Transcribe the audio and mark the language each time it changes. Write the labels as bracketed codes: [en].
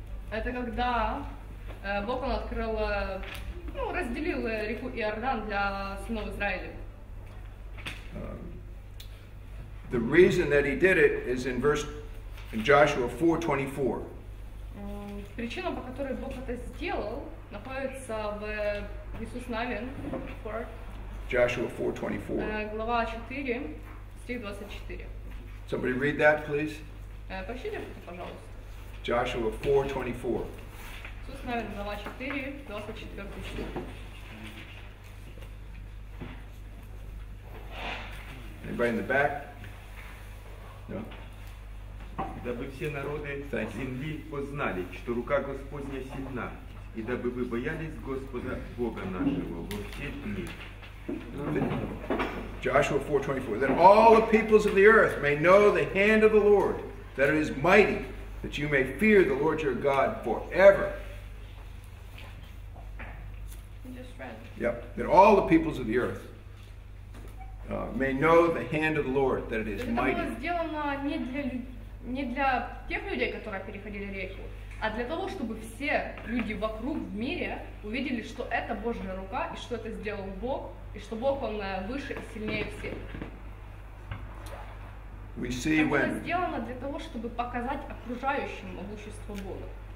[ru] Это когда Бог открыл, разделил реку Иордан для сынов Израиля. [en] The reason that he did it is in Joshua 4:24. [ru] Причина, по которой Бог это сделал, находится в Иисус Навин, [en] Joshua 4:24. [ru] Глава 4, стих 24. [en] Somebody read that, please. [ru] Прочтите, пожалуйста. [en] Joshua 4:24. [ru] Иисус Навин, глава 4, 24 стих. [en] Anybody in the back? No? [ru] Дабы все народы земли познали, что рука Господня сильна, и дабы вы боялись Господа Бога нашего во все дни. [en] Joshua 4:24. That all the peoples of the earth may know the hand of the Lord, that it is mighty, that you may fear the Lord your God forever. Yep. That all the peoples of the earth may know the hand of the Lord, that it is mighty. [ru] Не для тех людей, которые переходили реку, а для того, чтобы все люди вокруг в мире увидели, что это Божья рука и что это сделал Бог, и что Бог он выше и сильнее всех. [en] We see [ru] это [en] when... [ru] сделано для того, чтобы показать окружающим могущество Бога.